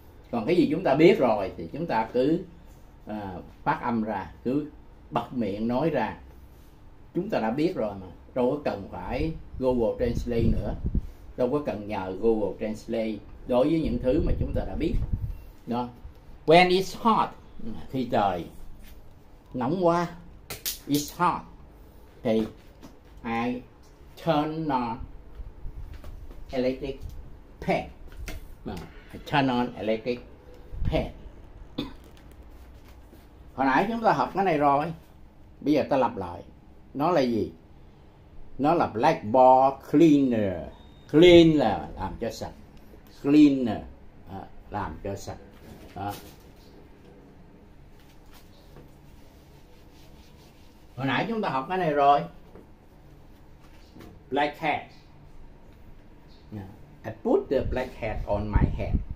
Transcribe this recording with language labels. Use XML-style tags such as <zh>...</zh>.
<vi>Còn cái gì chúng ta biết rồi thì chúng ta cứ phát âm ra, cứ bật miệng nói ra. Chúng ta đã biết rồi mà, đâu có cần phải Google Translate nữa. Đâu có cần nhờ Google Translate đối với những thứ mà chúng ta đã biết. Đó.</vi> <en>When it's hot,</en> <vi>khi trời nóng quá,</vi> <en>it's hot,</en> <vi>thì</vi> <en>I turn on electric fan. Turn on electric fan.</en> <vi>Hồi nãy chúng ta học cái này rồi, bây giờ ta lặp lại. Nó là gì? Nó là blackboard cleaner. Clean là làm cho sạch. Cleaner làm cho sạch. Hồi nãy chúng ta học cái này rồi.</vi> <en>Black hat. I put the black hat on my head.</en>